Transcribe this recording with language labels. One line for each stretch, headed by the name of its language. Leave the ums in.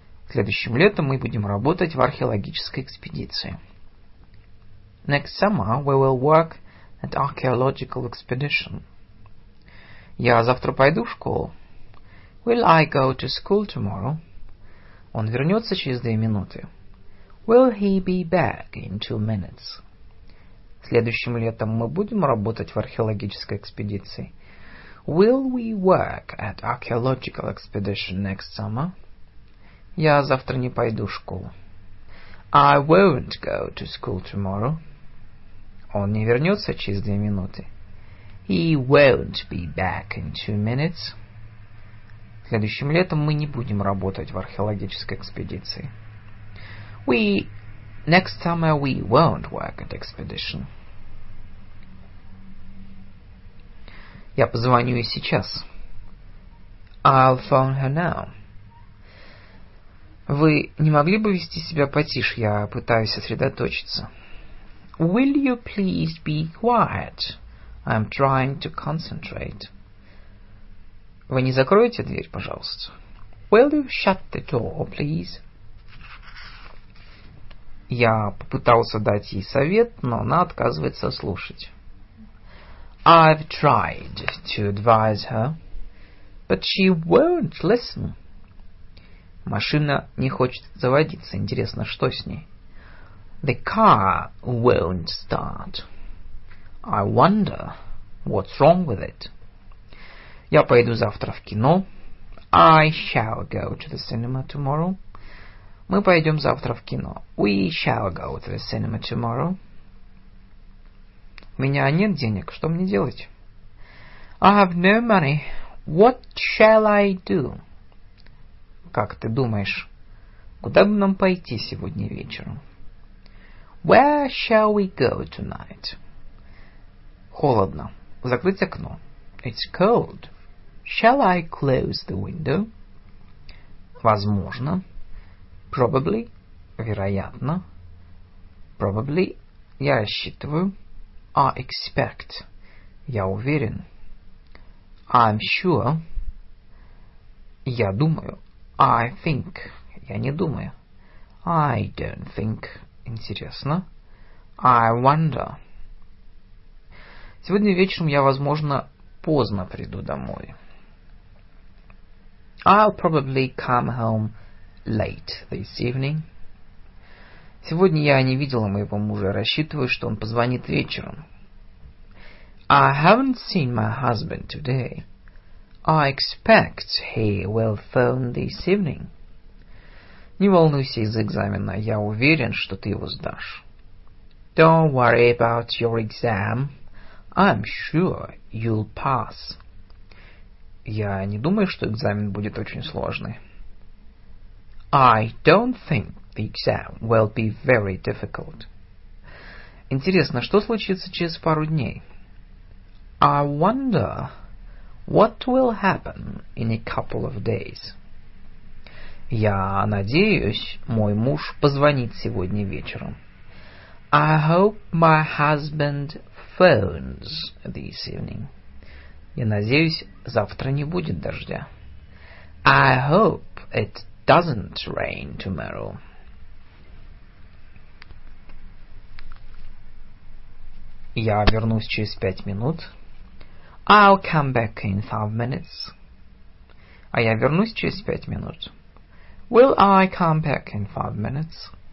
Russian: Следующим летом мы будем работать в археологической экспедиции.
English: Next summer we will work at archaeological expedition.
Russian: Я завтра пойду в школу.
English: Will I go to school tomorrow?
Russian: Он вернется через две минуты.
English: Will he be back in two minutes?
Russian: Следующим летом мы будем работать в археологической экспедиции.
English: Will we work at archaeological expedition next summer?
Russian: Я завтра не пойду в школу.
English: I won't go to school tomorrow.
Russian: Он не вернется через две минуты.
English: He won't be back in two minutes.
Russian: Следующим летом мы не будем работать в археологической экспедиции.
English: We next summer we won't work at expedition.
Russian: Я позвоню ей сейчас.
English: I'll phone her now.
Russian: Вы не могли бы вести себя потише? Я пытаюсь сосредоточиться.
English: Will you please be quiet? I'm trying to concentrate.
Russian: Вы не закроете дверь, пожалуйста?
English: Will you shut the door, please?
Russian: Я попытался дать ей совет, но она отказывается слушать.
English: I've tried to advise her, but she won't listen.
Russian: Машина не хочет заводиться. Интересно, что с ней?
English: The car won't start. I wonder what's wrong with it.
Russian: Я пойду завтра в кино.
English: I shall go to the cinema tomorrow.
Russian: Мы пойдем завтра в кино.
English: We shall go to the cinema tomorrow.
Russian: У меня нет денег. Что мне делать?
English: I have no money. What shall I do?
Russian: Как ты думаешь, куда бы нам пойти сегодня вечером?
English: Where shall we go tonight?
Russian: Холодно. Закрыть окно.
English: It's cold. Shall I close the window?
Russian: Возможно.
English: Probably.
Russian: Вероятно.
English: Probably.
Russian: Я рассчитываю.
English: I expect.
Russian: Я уверен.
English: I'm sure.
Russian: Я думаю.
English: I think.
Russian: Я не думаю.
English: I don't think.
Russian: Интересно.
English: I wonder.
Russian: Сегодня вечером я, возможно, поздно приду домой.
English: I'll probably come home late this evening.
Russian: Сегодня я не видела моего мужа, рассчитываю, что он позвонит вечером.
English: I haven't seen my husband today. I expect he will phone this evening.
Russian: Не волнуйся из экзамена, я уверен, что ты его сдашь.
English: Don't worry about your exam. I'm sure you'll pass.
Russian: Я не думаю, что экзамен будет очень сложный.
English: I don't think the exam will be very difficult.
Russian: Интересно, что случится через пару дней?
English: I wonder what will happen in a couple of days.
Russian: Я надеюсь, мой муж позвонит сегодня вечером.
English: I hope my husband phones this evening.
Russian: Я надеюсь, завтра не будет дождя.
English: I hope it doesn't rain tomorrow.
Russian: Я вернусь через пять минут.
English: I'll come back in five minutes.
Russian: А я вернусь через пять минут.
English: Will I come back in five minutes?